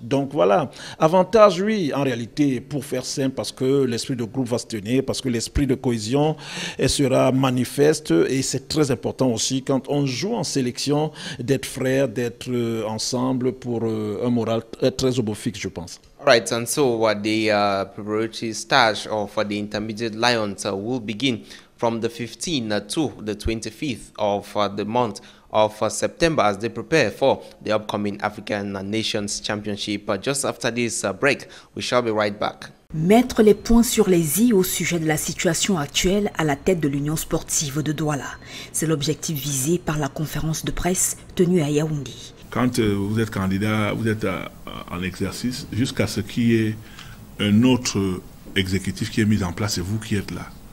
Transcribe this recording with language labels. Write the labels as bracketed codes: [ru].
[fr] Donc voilà, avantage, oui, en réalité, pour faire simple, parce que l'esprit de groupe va se tenir, parce que l'esprit de cohésion sera manifeste et c'est très important aussi quand on joue en sélection d'être frères, d'être ensemble pour un moral très obofique, je pense. [en] Right, and so the preparatory stage of the Intermediate Lions will begin from the 15th to the 25th of the month of September as they prepare for the upcoming African Nations Championship. Just after this break, we shall be right back. [fr] Mettre les points sur les i au sujet de la situation actuelle à la tête de l'Union sportive de Douala. C'est l'objectif visé par la conférence de presse tenue à Yaoundé. Quand vous êtes candidat, vous êtes en exercice jusqu'à ce qu'il y ait un autre exécutif qui est mis en place et vous qui êtes là.